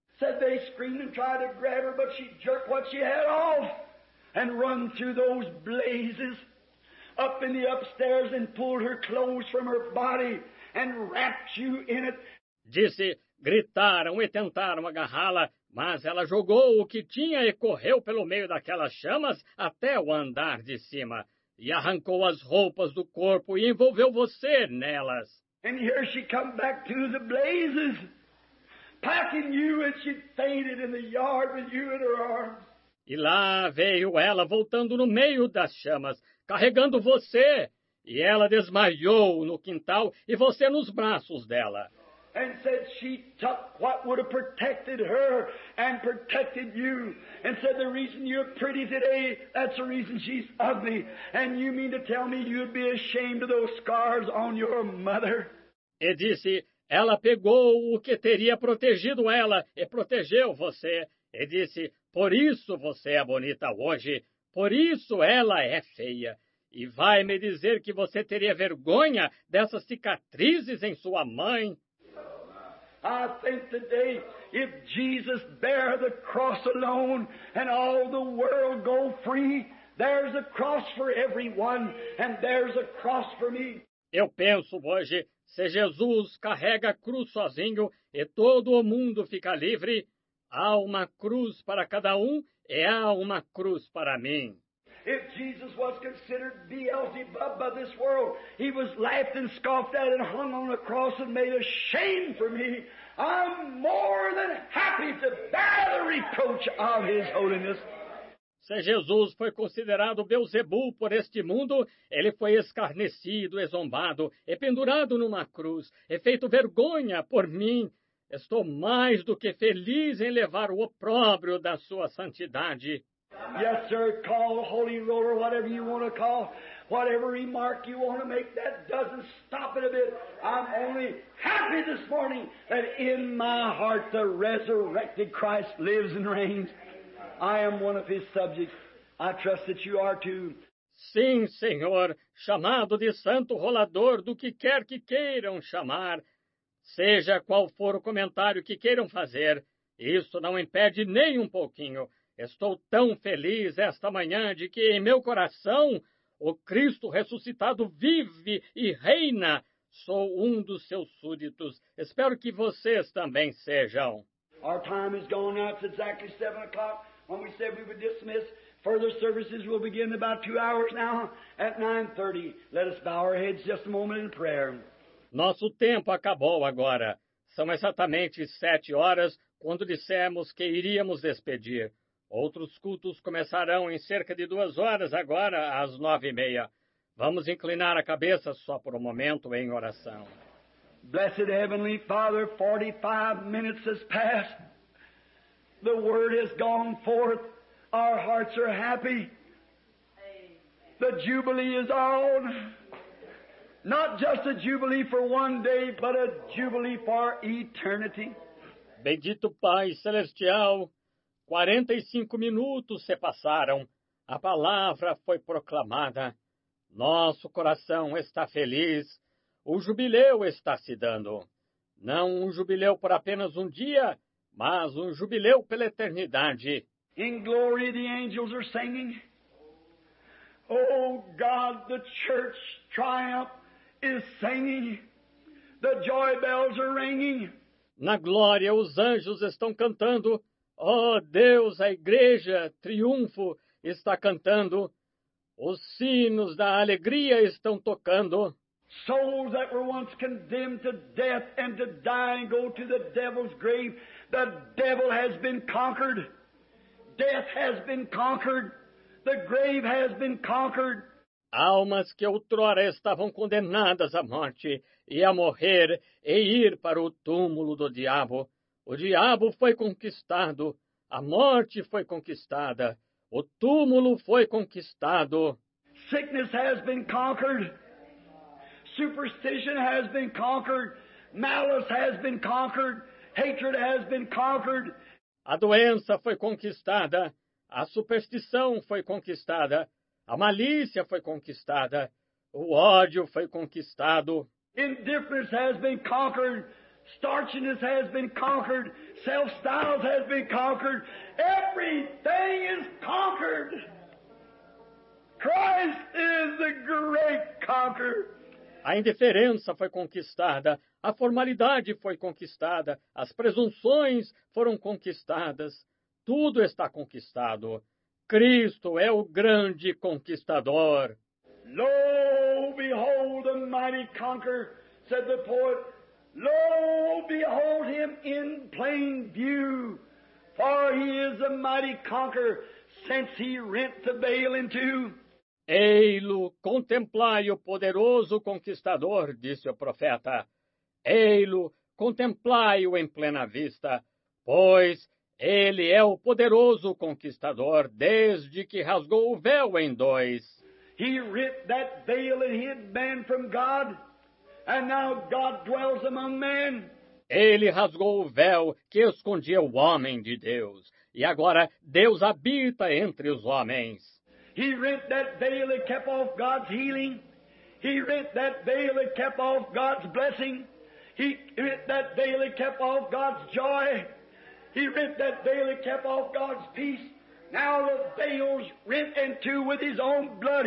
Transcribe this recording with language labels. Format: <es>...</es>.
<en>Said they screamed and tried to grab her, but she jerked what she had off and run through those blazes up in the upstairs and pulled her clothes from her body and wrapped you in it.</en> <pt>Disse, gritaram e tentaram agarrá-la. Mas ela jogou o que tinha e correu pelo meio daquelas chamas até o andar de cima. E arrancou as roupas do corpo e envolveu você nelas.</pt> <en>And here she come back to the blazes, packing you, and she fainted in the yard with you in her arms.</en> <pt>E lá veio ela voltando no meio das chamas, carregando você. E ela desmaiou no quintal e você nos braços dela.</pt> <en>and said she took what would have protected her and protected you, and said the reason you're pretty today, that's the reason she's ugly. And you mean to tell me you'd be ashamed of those scars on your mother?</en> <pt>E disse, ela pegou o que teria protegido ela e protegeu você. E disse, por isso você é bonita hoje, por isso ela é feia. E vai me dizer que você teria vergonha dessas cicatrizes em sua mãe?</pt> <en>I think today, if Jesus bear the cross alone and all the world go free, there's a cross for everyone and there's a cross for me.</en> <pt>Eu penso hoje, se Jesus carrega a cruz sozinho e todo o mundo fica livre, há uma cruz para cada um e há uma cruz para mim.</pt> <en>If Jesus was considered Beelzebub by this world, he was laughed and scoffed at and hung on a cross and made a shame for me. I'm more than happy to bear the reproach of his holiness.</en> <pt>Se Jesus foi considerado Beelzebu por este mundo, ele foi escarnecido, e zombado, e pendurado numa cruz, e feito vergonha por mim. Estou mais do que feliz em levar o opróbrio da sua santidade.</pt> <en>Yes, sir, call the holy roller, whatever you want to call, whatever remark you want to make, that doesn't stop it a bit. I'm only happy this morning that in my heart the resurrected Christ lives and reigns. I am one of his subjects. I trust that you are too.</en> <pt>Sim, Senhor, chamado de santo rolador, do que quer que queiram chamar, seja qual for o comentário que queiram fazer, isso não impede nem um pouquinho. Estou tão feliz esta manhã de que em meu coração o Cristo ressuscitado vive e reina. Sou um dos seus súditos. Espero que vocês também sejam.</pt> <en>Our time is gone now. It's exactly 7 o'clock when we said we would dismiss. Further services will begin in about 2 hours now at 9:30. Let us bow our heads just a moment in prayer.</en> <pt>Nosso tempo acabou agora. São exatamente 7 horas quando dissemos que iríamos despedir. Outros cultos começarão em cerca de 2 horas agora, às 9:30. Vamos inclinar a cabeça só por um momento em oração.</pt> <en>Blessed Heavenly Father, 45 minutes has passed. The word has gone forth. Our hearts are happy. The jubilee is on. Not just a jubilee for one day, but a jubilee for eternity.</en> <pt>Bendito Pai Celestial, 45 minutos se passaram, a palavra foi proclamada, nosso coração está feliz, o jubileu está se dando. Não um jubileu por apenas um dia, mas um jubileu pela eternidade.</pt> <en>In glory the angels are singing, oh God, the church triumph is singing, the joy bells are ringing.</en> <pt>Na glória os anjos estão cantando, oh, Deus, a igreja, triunfo, está cantando. Os sinos da alegria estão tocando.</pt> <en>Souls that were once condemned to death and to die and go to the devil's grave, the devil has been conquered. Death has been conquered. The grave has been conquered.</en> <pt>Almas que outrora estavam condenadas à morte e a morrer e ir para o túmulo do diabo. O diabo foi conquistado, a morte foi conquistada, o túmulo foi conquistado.</pt> <en>Sickness has been conquered, superstition has been conquered, malice has been conquered, hatred has been conquered.</en> <pt>A doença foi conquistada, a superstição foi conquistada, a malícia foi conquistada, o ódio foi conquistado.</pt> <en>Indifference has been conquered. Starchiness has been conquered. Self-styles has been conquered. Everything is conquered. Christ is the great conqueror.</en> <pt>A indiferença foi conquistada. A formalidade foi conquistada. As presunções foram conquistadas. Tudo está conquistado. Cristo é o grande conquistador.</pt> <en>Lo, behold, the mighty conqueror, said the poet. Lo, behold him in plain view, for he is a mighty conqueror, since he rent the veil in two.</en> <pt>Ei-lo, contemplai o poderoso conquistador, disse o profeta. Ei-lo, contemplai-o em plena vista, pois ele é o poderoso conquistador desde que rasgou o véu em dois.</pt> <en>He ripped that veil and hid man from God, and now God dwells among men.</en> <pt>Ele rasgou o véu que escondia o homem de Deus, e agora Deus habita entre os homens.</pt> <en>He rent that veil that kept off God's healing. He rent that veil that kept off God's blessing. He rent that veil that kept off God's joy. He rent that veil that kept off God's peace. Now the veil's rent in two with his own blood.</en>